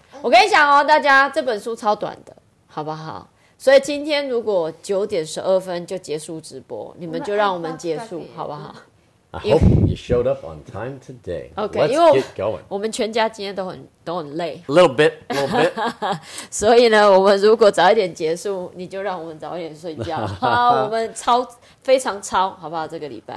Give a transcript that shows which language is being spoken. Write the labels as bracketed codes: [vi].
[zh] 我跟你讲哦，大家这本书超短的，好不好？所以今天如果9:12就结束直播，你们就让我们结束，好不好？ [en] I hope you showed up on time today. Okay, let's get going. [zh] 我们全家今天都很累。 [en] A little bit. [zh] 所以呢，我们如果早一点结束，你就让我们早一点睡觉。好，我们超非常超，好不好？这个礼拜。